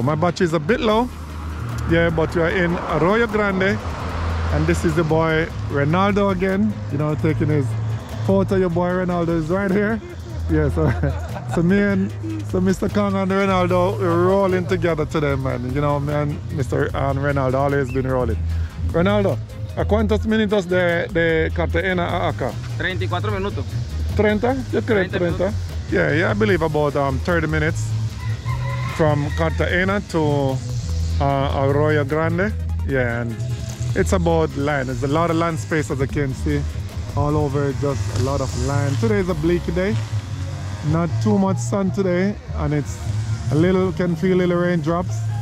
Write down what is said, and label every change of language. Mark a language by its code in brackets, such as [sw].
[en] My battery is a bit low. Yeah, but we are in Arroyo Grande. And this is the boy Ronaldo again. You know, taking his photo. Your boy Ronaldo is right here. Yeah, so Mr. Kang and Ronaldo, we're rolling together today, man. You know, man, Mr. and Ronaldo always been rolling. [es] Ronaldo, ¿a cuántos minutos de Cartagena a acá? 34 minutos. 30? Yo creo 30. [en] Yeah, I believe about 30 minutes from Cartagena to Arroyo Grande. Yeah, and it's about land. It's a lot of land space, as you can see. All over, just a lot of land. Today is a bleak day. Not too much sun today, and it's a little, can feel a little raindrops.